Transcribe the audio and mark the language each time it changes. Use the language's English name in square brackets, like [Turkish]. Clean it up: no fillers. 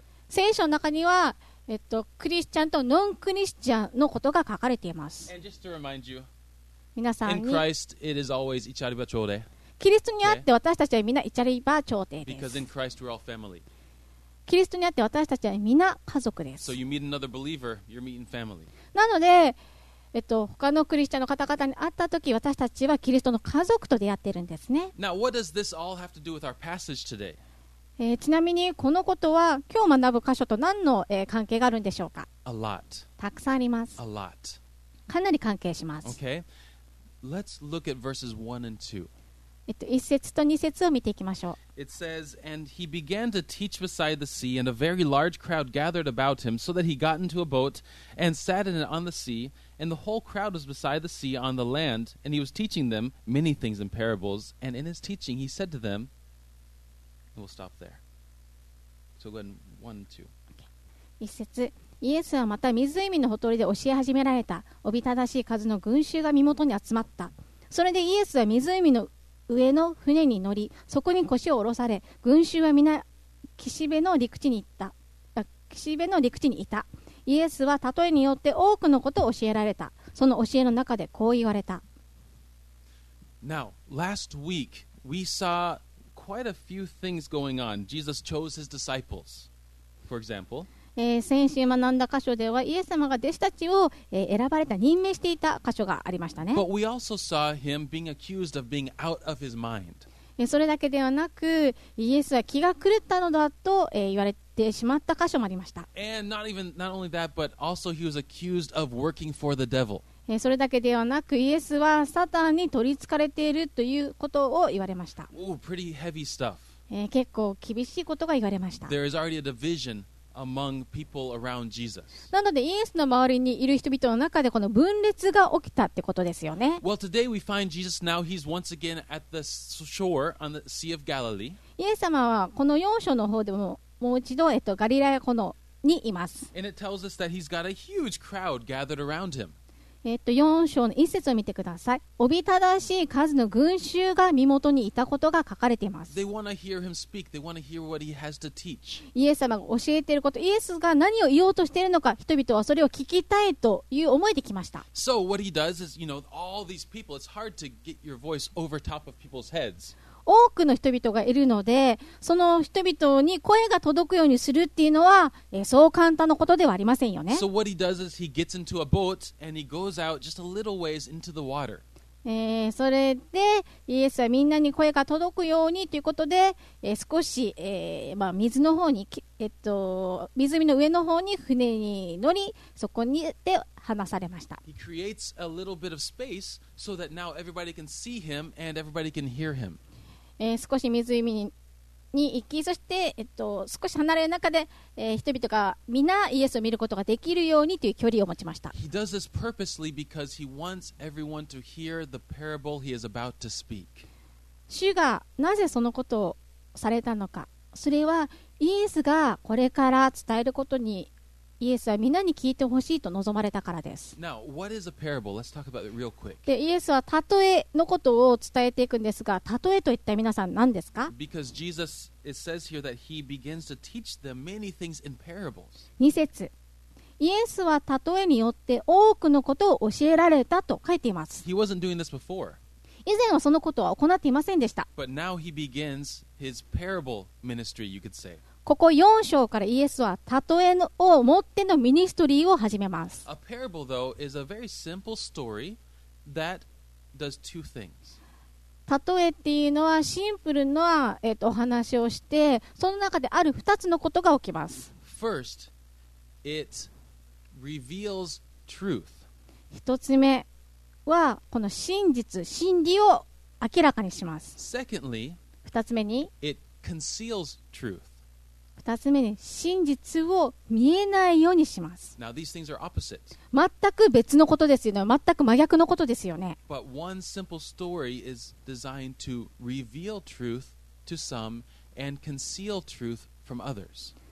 [Japanese] 聖書の中にはクリスチャンとノンクリスチャンのことが書かれています。 [English] you, [Japanese] 皆さんに [English] Christ, it is always [Central Okinawan] イチャリバチョーデ。 [Japanese] キリストにあって私たちはみんな [Central Okinawan] イチャリバチョーデ [Japanese] です。 [English] Because in Christ we're all family. [Japanese] キリストにあって私たちはみんな家族です。 [English] So you meet another believer, you're meeting family. [Japanese] なので他のクリスチャンの方々に会ったとき、私たちはキリストの家族と出会っているんですね。 [English] Now, what does this all have to do with our passage today? [Japanese] ちなみにこのことは今日学ぶ箇所と何の、関係があるんでしょうか? [English] A lot. [Japanese] たくさんあります。 [English] A lot. [Japanese] かなり関係します。 [English] Okay. Let's look at verses 1 and 2. [Japanese] 一節と二節を見ていきましょう。 [English] It says, And he began to teach beside the sea, and a very large crowd gathered about him, so that he got into a boat and sat in it on the sea. And the whole crowd was beside the sea on the land, and he was teaching them many things in parables. And in his teaching, he said to them, "We'll stop there." So go ahead, one, two. Okay. [Japanese] 一節。イエスはまた湖のほとりで教え始められた。おびただしい数の群衆が身元に集まった。それでイエスは湖の上の船に乗り、そこに腰を下ろされ、群衆は皆岸辺の陸地にいた。イエスは例えによって多くのことを教えられた。その教えの中でこう言われた。 [English] Now, last week, we saw quite a few things going on. Jesus chose his disciples for for example, [Japanese] 先週学んだ箇所ではイエス様が弟子たちを、選ばれた任命していた箇所がありましたね。 [English] But we also saw him being accused of being out of his mind. [Japanese] それだけではなくイエスは気が狂ったのだと、言われてしまった箇所もありました。 [English] And not even, not only that, but also he was accused of working for the devil. [Japanese] それだけではなくイエスはサタンに取り憑かれているということを言われました。 [English] Ooh, pretty heavy stuff. [Japanese] 結構厳しいことが言われました。 [English] There is already a division among people around Jesus. [Japanese] なのでイエスの周りにいる人々の中でこの分裂が起きたってことですよね。 [English] Well, today we find Jesus now he's once again at the shore on the Sea of Galilee. [Japanese] イエス様はこの4章の方でももう一度、ガリラヤ湖のにいます。 [English] And it tells us that he's got a huge crowd gathered around him. [Japanese] 4章の1節を見てください。おびただしい数の群衆が身元にいたことが書かれています。 [English] They want to hear him speak. They want to hear what he has to teach. [Japanese] イエス様が教えていること、イエスが何を言おうとしているのか、人々はそれを聞きたいという思いで来ました。 [English] So what he does is, you know, all these people, it's hard to get your voice over top of people's heads. [Japanese] 多くの人々がいるのでその人々に声が届くようにするっていうのはそう簡単なことではありませんよね。 [English] So what he does is he gets into a boat and he goes out just a little ways into the water. [Japanese] それでイエスはみんなに声が届くようにということで、少し、まあ、水の方に、湖の上の方に船に乗りそこにで話されました。 [English] He creates a little bit of space so that now everybody can see him and everybody can hear him. [Japanese] 少し湖に行きそして、少し離れる中で、人々がみんなイエスを見ることができるようにという距離を持ちました。 [English] He does this purposely because he wants everyone to hear the parable he is about to speak. [Japanese] 主がなぜそのことをされたのか、それはイエスがこれから伝えることにイエスはみんなに聞いてほしいと望まれたからです。 [English] Now, what is a parable? Let's talk about it real quick. [Japanese] でイエスは例えのことを伝えていくんですが例えといった皆さん何ですか。 [English] Because Jesus, it says here that he begins to teach them many things in parables. [Japanese] 2節イエスは例えによって多くのことを教えられたと書いています。 [English] He wasn't doing this before. [Japanese] 以前はそのことは行っていませんでした。 [English] But now he begins his parable ministry, you could say. [Japanese] ここ4章からイエスは例えのを持ってのミニストリーを始めます。 [English] A parable, though, is a very simple story that does two things. [Japanese] 例えっていうのはシンプルな、お話をしてその中である2つのことが起きます。 [English] First, it reveals truth. [Japanese] 1つ目はこの真実、真理を明らかにします。 [English] Secondly, [Japanese] 2つ目に [English] it conceals truth. [Japanese] 2つ目に真実を見えないようにします。 [English] Now, these things are opposite. [Japanese] 全く別のことですよね。全く真逆のことですよね。 [English] But one simple story is designed to reveal truth to some and conceal truth from others.